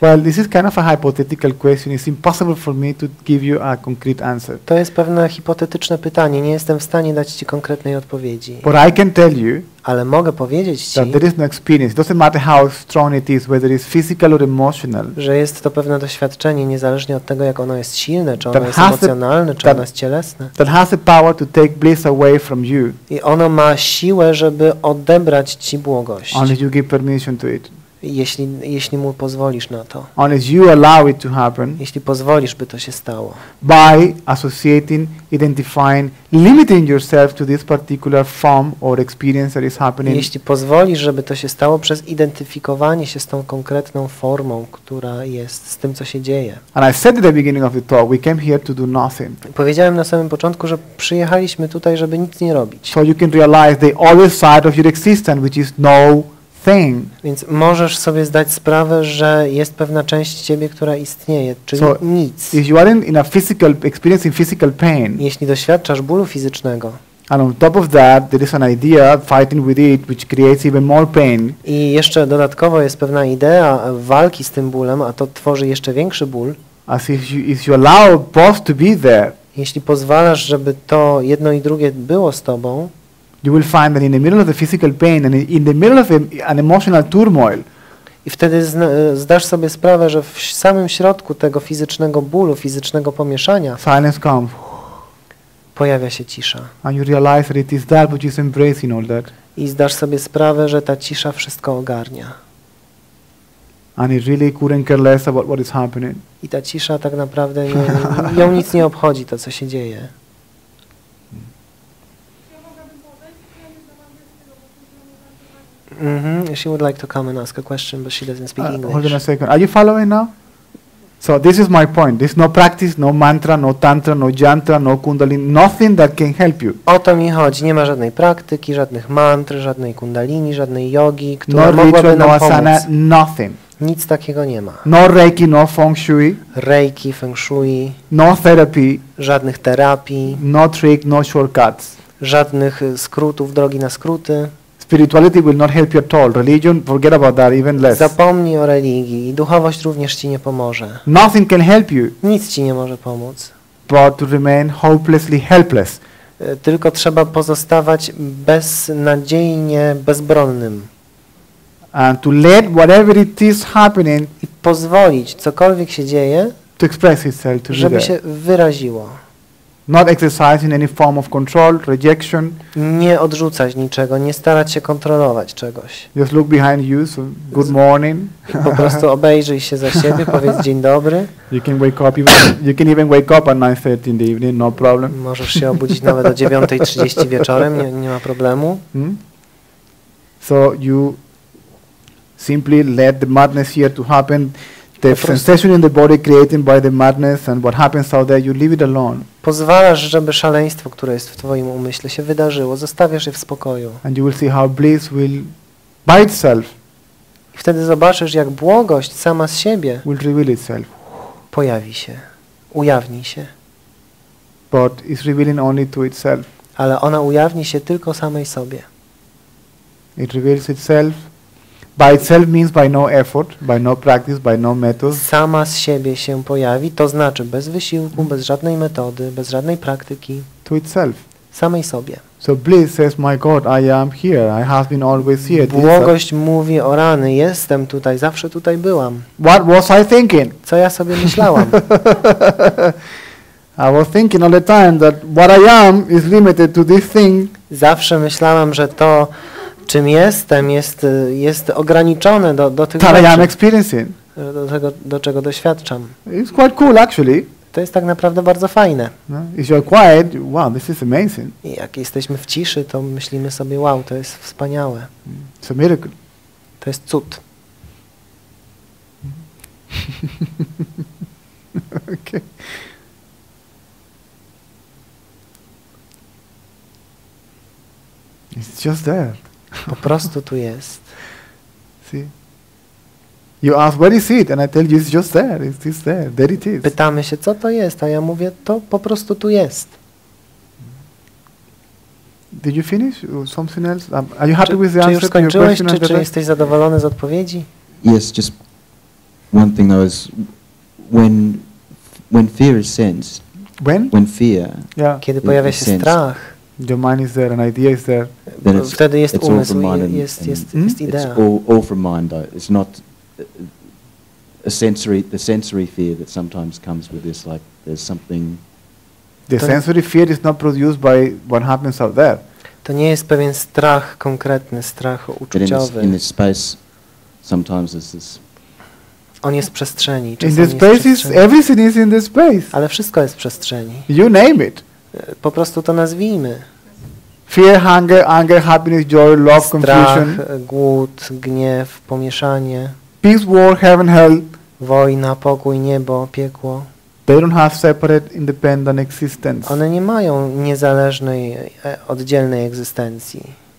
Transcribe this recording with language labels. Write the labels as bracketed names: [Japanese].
[English] Well, this is kind of a hypothetical question. It's impossible for me to give you a concrete answer. [Polish] To jest pewne hipotetyczne pytanie. Nie jestem w stanie dać ci konkretnej odpowiedzi. [English] But I can tell you. [Polish] Ale mogę powiedzieć ci. [English] That there is no experience. It doesn't matter how strong it is, whether it's physical or emotional. [Polish] Że jest to pewne doświadczenie, niezależnie od tego, jak ono jest silne, czy ono jest emocjonalne, czy ono jest cielesne. [English] That has the power to take bliss away from you. [Polish] I ono ma siłę, żeby odebrać ci błogość. [English] Only you give permission to it. [Polish] Jeśli mu pozwolisz na to. [English] Only you allow it to happen. [Polish] Jeśli pozwolisz, by to się stało. [English] By associating, identifying, limiting yourself to this particular form or experience that is happening. [Polish] Jeśli pozwolisz, żeby to się stało, przez identyfikowanie się z tą konkretną formą, która jest z tym, co się dzieje. [English] And I said at the beginning of the talk, we came here to do nothing. [Polish] Powiedziałem na samym początku, że przyjechaliśmy tutaj, żeby nic nie robić. [English] So you can realize the other side of your existence, which is no. Thing. [Polish] Więc możesz sobie zdać sprawę, że jest pewna część ciebie, która istnieje, czyli [English] so, [Polish] nic. [English] If you are in a physical, experiencing physical pain, [Polish] jeśli doświadczasz bólu fizycznego, [English] and on top of that, there is an idea fighting with it, which creates even more pain. [Polish] I jeszcze dodatkowo jest pewna idea walki z tym bólem, a to tworzy jeszcze większy ból. [English] As if you allow both to be there, [Polish] jeśli pozwalasz, żeby to jedno i drugie było z tobą. [English] You will find that in the middle of the physical pain and in the middle of an emotional turmoil. [Polish] I wtedy zdasz sobie sprawę, że w samym środku tego fizycznego bólu, fizycznego pomieszania, [English] silence comes. [Polish] Pojawia się cisza. [English] And you realize that it is that which is embracing all that. [Polish] I zdasz sobie sprawę, że ta cisza wszystko ogarnia. [English] And it really couldn't care less about what is happening. [Polish] I ta cisza tak naprawdę ją nic nie obchodzi, to co się dzieje. Mm-hmm. [English] She would like to come and ask a question, but she doesn't speak English. Hold on a second. Are you following now? So this is my point. There's no practice, no mantra, no tantra, no jantra, no kundalini, nothing that can help you. [Polish] O to mi chodzi. Nie ma żadnej praktyki, żadnych mantr, żadnej kundalini, żadnej jogi, która no mogłaby [English] ritual, [Polish] nam [English] no [Polish] pomóc. [English] Asana, nothing. [Polish] Nic takiego nie ma. [English] No reiki, no feng shui. Reiki, feng shui. No therapy. [Polish] Żadnych terapii. [English] No trick, no shortcuts. [Polish] Żadnych skrótów, drogi na skróty. [English] Spirituality will not help you at all. Religion, forget about that, even less. [Polish] Zapomnij o religii. Duchowość również ci nie pomoże. [English] Nothing can help you. [Polish] Nic ci nie może pomóc. [English] But to remain hopelessly helpless. [Polish] Tylko trzeba pozostawać beznadziejnie bezbronnym. [English] And to let whatever it is happening. [Polish] I pozwolić, cokolwiek się dzieje, [English] to express itself, to [Polish] żeby się wyraziło. [English] Not exercising any form of control, rejection. [Polish] Nie odrzucać niczego, nie starać się kontrolować czegoś. [English] Just look behind you, so good morning. [Polish] Po prostu obejrzyj się za siebie, powiedz dzień dobry. [English] You can even wake up at 9:30 in the evening, no problem. [Polish] Możesz się obudzić nawet o 9:30 wieczorem, nie ma problemu. Hmm? [English] So you simply let the madness here to happen. The sensation in the body created by the madness and what happens out there, you leave it alone. [Polish] Pozwalasz, żeby szaleństwo, które jest w twoim umyśle, się wydarzyło, zostawiasz je w spokoju. [English] And you will see how bliss will by itself. [Polish] I wtedy zobaczysz, jak błogość sama z siebie [English] will reveal itself. [Polish] Pojawi się, ujawni się. [English] But it's revealing only to itself. [Polish] Ale ona ujawni się tylko samej sobie. [English] It reveals itself. By itself means by no effort, by no practice, by no method. [Polish] Sama z siebie się pojawi, to znaczy bez wysiłku, bez żadnej metody, bez żadnej praktyki. [English] To itself. [Polish] Samej sobie. [English] So bliss says, my God, I am here, I have been always here. [Polish] Błogość mówi, o rany, jestem tutaj, zawsze tutaj byłam. [English] What was I thinking? [Polish] Co ja sobie myślałam? [English] I was thinking all the time that what I am is limited to this thing. [Polish] Zawsze myślałam, że to, czym jestem, jest ograniczone do tych [English] that [Polish] rzeczy, [English] I am experiencing. [Polish] do tego, do czego doświadczam. [English] It's quite cool, actually. [Polish] To jest tak naprawdę bardzo fajne. [English] If you're quiet, wow, this is amazing. [Polish] I jak jesteśmy w ciszy, to myślimy sobie, wow, to jest wspaniałe. [English] It's a miracle. [Polish] To jest cud. [English] Okay. It's just that. [Polish] Po prostu tu jest. [English] See? You ask, where is it? And I tell you, it's just there. It's there. There it is. [Polish] Pytamy się, co to jest, a ja mówię, to po prostu tu jest. [English] Did you finish? Something else? Are you happy with the answer? [Polish] Czy już skończyłeś, czy jesteś zadowolony z odpowiedzi? [English] Yes, just one thing though is when fear is sensed. When? When fear. Yeah. [Polish] Kiedy pojawia się strach. [English] Your mind is there, an idea is there. Then it's, [Polish] wtedy jest [English] it's [Polish] umysł, [English] all from mind [Polish] jest idea. [English] It's all from mind though. It's not a sensory, the sensory fear that sometimes comes with this, like there's something. The sensory fear is not produced by what happens out there. [Polish] To nie jest pewien strach konkretny, strach uczuciowy. [English] In this space, sometimes there's this. [Polish] On jest w przestrzeni. [English] In this space, everything is in this space. [Polish] Ale wszystko jest w przestrzeni. [English] You name it. [Polish] Po prostu to nazwijmy. [English] Fear, hunger, anger, happiness, joy, love, confusion. [Polish] Strach, głód, gniew, pomieszanie. [English] Peace, war, heaven, hell. [Polish] Wojna, pokój, niebo, piekło. [English] They don't have separate, independent existence. [Polish] One nie mają niezależnej, oddzielnej egzystencji.